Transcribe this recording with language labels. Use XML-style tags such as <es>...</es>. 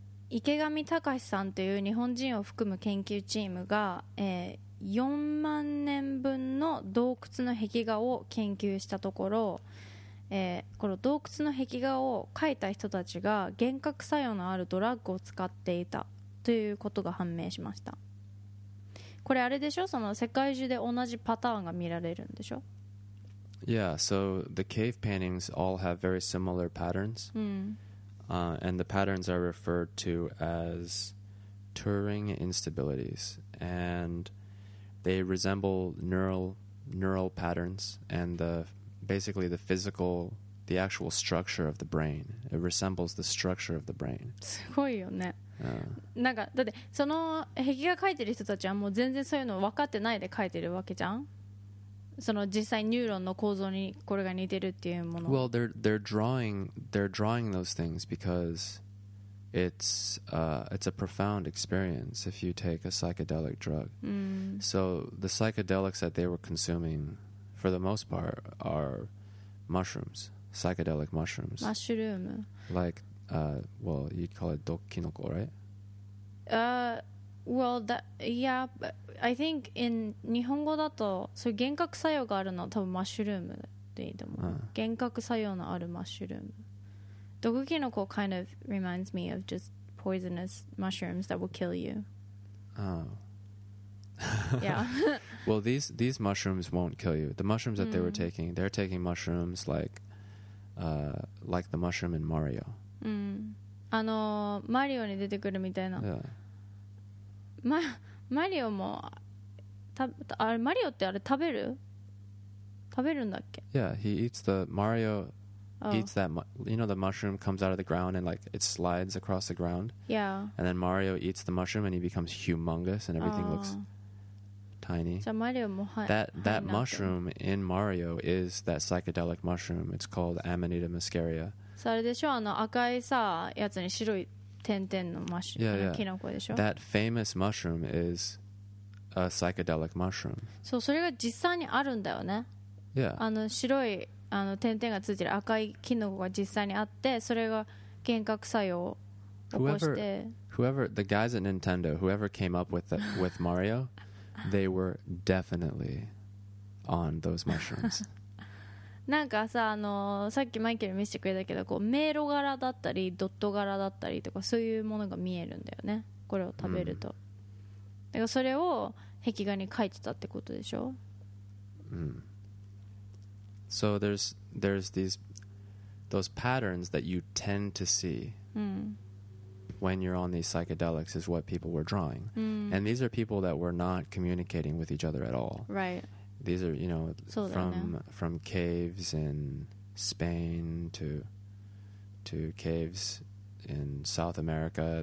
<ja>Ikegami Takashi-san という日本人を含む研究チームが、4万年分の洞窟の壁画を研究したところ、この洞窟の壁画を描いた人たちが幻覚作用のあるドラッグを使っていたということが判明しました。これあれでしょ、その世界中で同じパターンが見られるんでしょ。</ja> <en>Yeah, so the cave paintings all have very similar patterns、 mm. And the patterns are referred to as Turing instabilities andThey resemble neural patterns and the actual structure of the brain. It resembles the structure of the brain.</en> <ja>すごいよね。なんかだってその壁画描いてる人たちはもう全然そういうの分かってないで描いてるわけじゃん。その実際ニューロンの構造にこれが似てるっていうもの。</ja> <en>Well, they're drawing those things because It's a profound experience if you take a psychedelic drug. Mm. So the psychedelics that they were consuming, for the most part, are mushrooms, psychedelic mushrooms. Mushroom. Like, well, you'd call it dokkinoko, right? I think in</en> <ja>日本語だと、そう幻覚作用があるのは多分マッシュルームでいいと思う。幻覚作用のあるマッシュルーム。</ja> <en>Dokkinoko kind of reminds me of just poisonous mushrooms that will kill you. Oh. Yeah. Well, these mushrooms won't kill you. The mushrooms that、mm. they were taking, they're taking mushrooms like the mushroom in Mario. Mm.</en> <ja>あの、マリオに出てくるみたいな。</ja> <en>Yeah.</en> <ja>マリオも、あれ、マリオってあれ食べる？食べるんだっけ？</ja> <en>Yeah, he eats the Mario... Eats that, you know, the mushroom comes out of the ground and like it slides across the ground. Yeah. And then Mario eats the mushroom and he becomes humongous and everything looks tiny. So Mario, that mushroom in Mario is that psychedelic mushroom. It's called Amanita muscaria.</en> <ja>So あれでしょ、あの赤いさ、やつに白い点々のマシ、</ja> <en>yeah, yeah.</en> <ja>キノコでしょ。</ja> <en>That famous mushroom is a psychedelic mushroom.</en> <ja>So それが実際にあるんだよね。</ja> <en>Yeah.</en> <ja>あの白いあの点々がついてる赤いキノコが実際にあって、それが幻覚作用を起こして。</ja> <en>Whoever the guys at Nintendo, whoever came up with Mario, they were definitely on those mushrooms.</en> <ja>なんかさ、あのさっきマイケル見せてくれたけど、こう迷路柄だったりドット柄だったりとかそういうものが見えるんだよね。これを食べると。Mm. だからそれを壁画に描いてたってことでしょ。うん。</ja> <en>So there's those patterns that you tend to see、 mm. when you're on these psychedelics is what people were drawing.、 Mm. And these are people that were not communicating with each other at all. Right. These are, you know, from caves in Spain to caves in South America.</en>